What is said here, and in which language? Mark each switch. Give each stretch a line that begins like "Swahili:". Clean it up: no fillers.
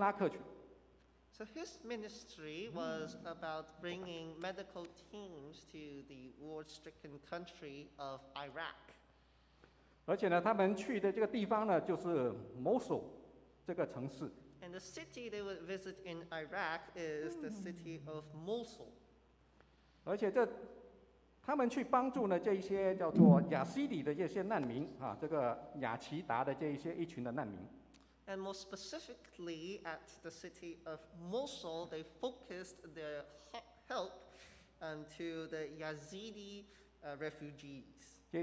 Chinese: 那他每年呢，他的事工呢，就是每年呢带领的这些医疗的团队啊，到伊拉克去。So
English: his ministry was about bringing medical teams to the war-stricken country of Iraq.
Chinese: 而且呢，他们去的这个地方呢，就是 Mosul 这个城市。And
English: the city they would visit in Iraq is the city of Mosul.
Chinese: 而且这 他们去帮助呢这一些叫做雅西里的这些难民，这个雅齐达的这一些一群的难民。And
English: more specifically, at the city of Mosul, they focused their help to the Yazidi refugees.